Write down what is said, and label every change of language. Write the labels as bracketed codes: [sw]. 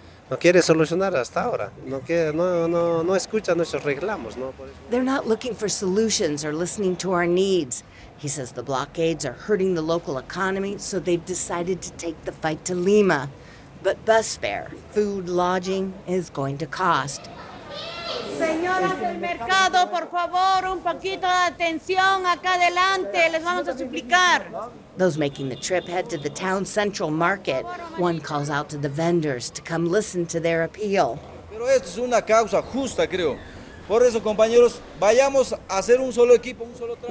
[en] They're not looking for solutions or listening to our needs. He says the blockades are hurting the local economy, so they've decided to take the fight to Lima. But bus fare, food, lodging is going to cost. [es] Señoras del mercado, por favor, un poquito de atención acá adelante. Les vamos a suplicar. [en] Those making the trip head to the town's central market. One calls out to the vendors to come listen to their appeal. [es] Pero esto es una causa justa, creo. Por eso, compañeros, vayamos a hacer un solo equipo, un solo trabajo.